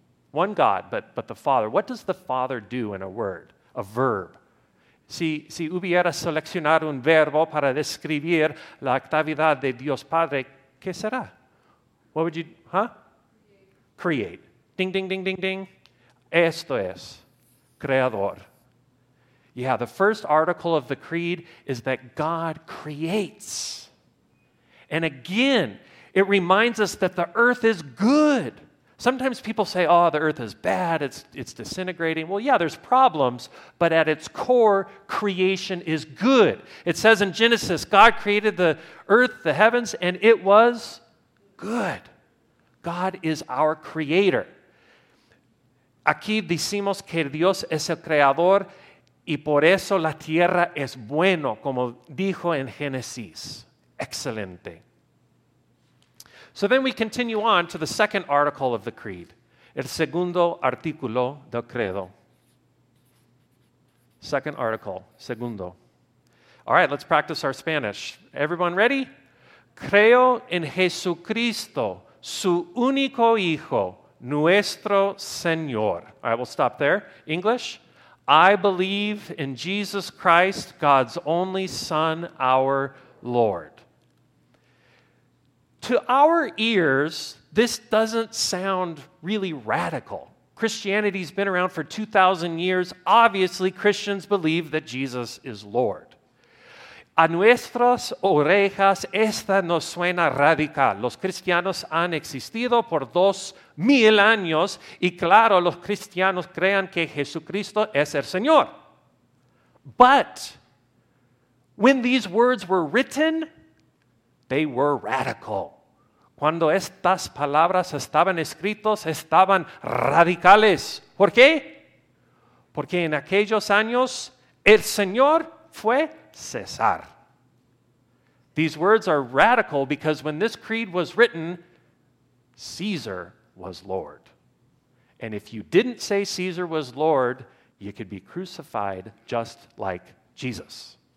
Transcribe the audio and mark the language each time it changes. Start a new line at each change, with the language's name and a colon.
English: One God, but the Father. What does the Father do in a word, a verb?
Spanish: Si hubiera seleccionado un verbo para describir la actividad de Dios Padre, ¿qué será?
English: What would you, huh? Create. Ding, ding, ding, ding, ding.
Spanish: Esto es creador.
English: Yeah, the first article of the creed is that God creates. And again, it reminds us that the earth is good. Sometimes people say, oh, the earth is bad, it's disintegrating. Well, yeah, there's problems, but at its core, creation is good. It says in Genesis, God created the earth, the heavens, and it was good. God is our creator.
Spanish: Aquí decimos que Dios es el creador, y por eso la tierra es bueno, como dijo en Génesis. Excelente.
English: So then we continue on to the second article of the creed.
Spanish: El segundo artículo del credo.
English: Second article, segundo. All right, let's practice our Spanish. Everyone ready?
Spanish: Creo en Jesucristo, su único hijo, nuestro Señor.
English: All right, we'll stop there. English? I believe in Jesus Christ, God's only Son, our Lord. To our ears, this doesn't sound really radical. Christianity's been around for 2,000 years. Obviously, Christians believe that Jesus is Lord.
Spanish: A nuestras orejas, esta no suena radical. Los cristianos han existido por 2,000 años, y claro, los cristianos crean que Jesucristo es el Señor.
English: But when these words were written, they were radical.
Spanish: Cuando estas palabras estaban escritas, estaban radicales. ¿Por qué? Porque en aquellos años, el Señor fue César.
English: These words are radical because when this creed was written, Caesar was Lord. And if you didn't say Caesar was Lord, you could be crucified just like Jesus.